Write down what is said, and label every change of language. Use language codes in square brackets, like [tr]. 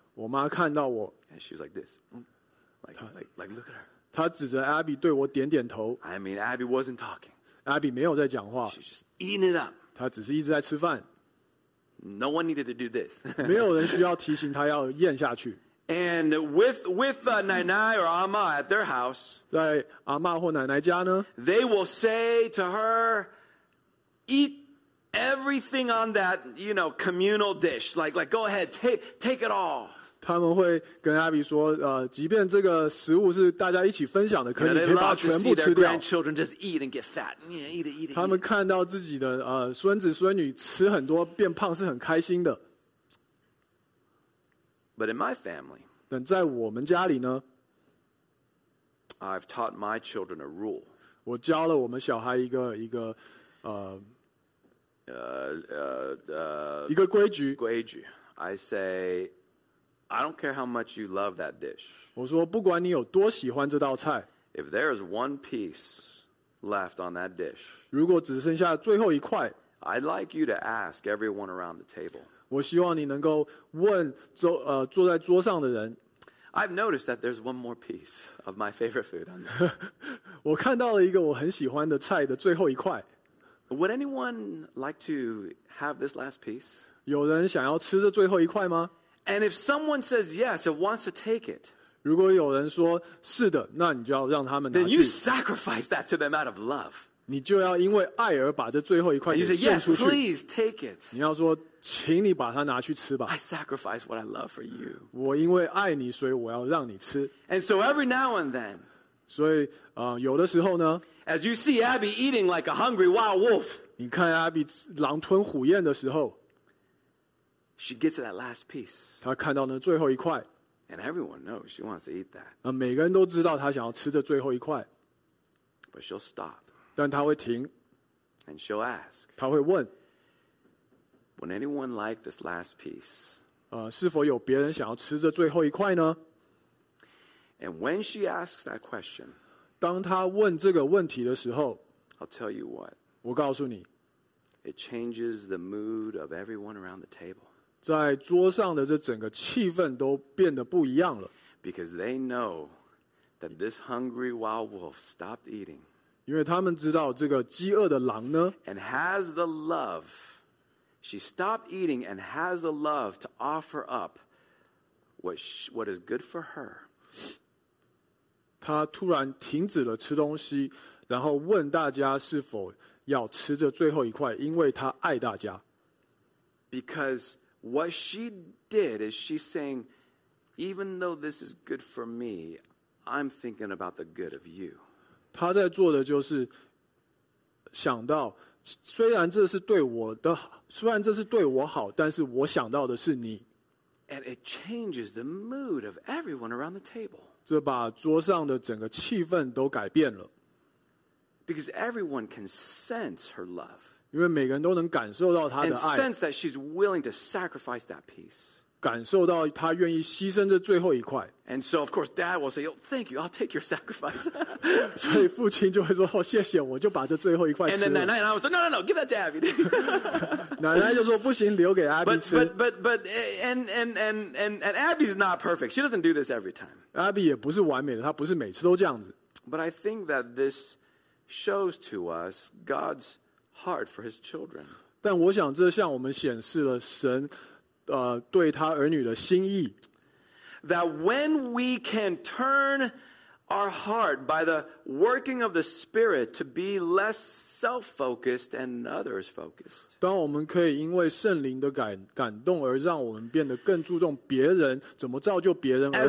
[zh] 我妈看到我。 [en] And she was like this. Like look at her. [zh] 她指着Abby对我点点头。 [en] I mean, Abby wasn't talking. [zh] Abby没有在讲话。 [en] She's just eating it up. [zh] 她只是一直在吃饭。 [en] No one needed to do this. [zh] 没有人需要提醒他要咽下去。 [en] And with Nai Nai or Ama at their house, [zh] 在阿嬷或奶奶家呢, [en] they will say to her, eat everything on that, you know, communal dish. Like go ahead, take it all. [zh] 他们会跟 Abby 说，即便这个食物是大家一起分享的，可你可以把全部吃掉。 [en] Grandchildren just eat and get fat. Yeah, eat, eat, eat. [zh] 他们看到自己的孙子孙女吃很多变胖是很开心的。 [en] But in my family, [zh] 但在我们家里呢 [en] ，I've taught my children a rule. [zh] 我教了我们小孩一个一个规矩。 [en] 规矩 ，I say. I don't care how much you love that dish. [zh] 我说不管你有多喜欢这道菜。 [en] If there is one piece left on that dish, [zh] 如果只剩下最后一块。 [en] I'd like you to ask everyone around the table. [zh] 我希望你能够问坐在桌上的人。 [en] I've noticed that there's one more piece of my favorite food on there. [zh] 我看到了一个我很喜欢的菜的最后一块。 [en] Would anyone like to have this last piece? [zh] 有人想要吃这最后一块吗？ [en] And if someone says yes, it wants to take it. [zh] 如果有人说是的，那你就要让他们拿去。 [en] Then you sacrifice that to them out of love. [zh] 你就要因为爱而把这最后一块给献出去。 [en] And you say yes, please take it. [zh] 你要说，请你把它拿去吃吧。 [en] I sacrifice what I love for you. [zh] 我因为爱你，所以我要让你吃。 [en] And so every now and then. [zh] 所以有的时候呢。 [en] As you see Abby eating like a hungry wild wolf. [zh] 你看 Abby 狼吞虎咽的时候。 [en] She gets that last piece. [zh] 她看到了最后一块。 [en] And everyone knows she wants to eat that. [zh] 每个人都知道她想要吃这最后一块。 [en] But she'll stop. [zh] 但她会停。 [en] And she'll ask. [zh] 她会问。 [en] Would anyone like this last piece? [zh] 是否有别人想要吃这最后一块呢？ [en] And when she asks that question, [zh] 当她问这个问题的时候， [en] I'll tell you what. [zh] 我告诉你。 [en] It changes the mood of everyone around the table. [zh] 在桌上的这整个气氛都变得不一样了。 [en] Because they know that this hungry wild wolf stopped eating. [zh] 因为他们知道这个饥饿的狼呢。 [en] And has the love. She stopped eating and has the love to offer up what is good for her. [zh] 他突然停止了吃东西，然后问大家是否要吃这最后一块，因为他爱大家。 [en] Because. What she did is she's saying, even though this is good for me, I'm thinking about the good of you. [zh] 她在做的就是想到，虽然这是对我的，虽然这是对我好，但是我想到的是你。 [en] And it changes the mood of everyone around the table. [zh] 这把桌上的整个气氛都改变了。 [en] Because everyone can sense her love. [zh] 因为每个人都能感受到她的爱 [en] and sense that she's willing to sacrifice that piece. [zh] 感受到她愿意牺牲这最后一块 [en] And so of course dad will say, oh, thank you, I'll take your sacrifice. [zh] 所以父亲就会说、哦、谢谢我就把这最后一块吃了 [en] And then [zh] 奶奶会说 [en] no, no, no, give that to Abby. [zh] 奶奶就说不行留给 Abby 吃 [en] But and Abby's not perfect. She doesn't do this every time. [zh] Abby 也不是完美的她不是每次都这样子 [en] But I think that this shows to us God'sHard for his children. [zh] 但我想这向我们显示了神对他儿女的心意。 [en] That when we can turn our heart by the working of the Spirit to be less self-focused and others focused. [zh] 当我们可以因为圣灵的感动而让我们变得更注重别人，怎么造就别人而。